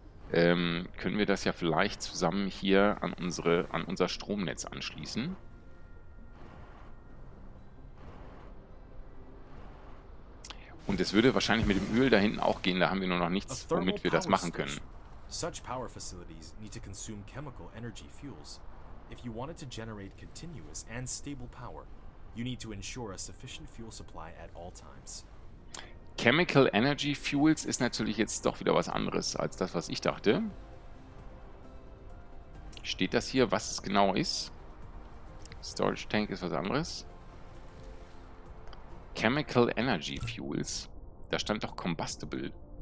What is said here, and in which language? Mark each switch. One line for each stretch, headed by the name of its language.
German: Können wir das ja vielleicht zusammen hier an unsere, an unser Stromnetz anschließen. Und es würde wahrscheinlich mit dem Öl da hinten auch gehen, da haben wir nur noch nichts, womit wir das machen können.
English: Such power facilities need to consume chemical energy fuels. If you wanted to generate continuous and stable power, you need to ensure a sufficient fuel supply at all times.
German: Chemical energy fuels ist natürlich jetzt doch wieder was anderes als das, was ich dachte. Steht das hier, was es genau ist? Storage tank ist was anderes. Chemical energy fuels. Da stand doch combustible.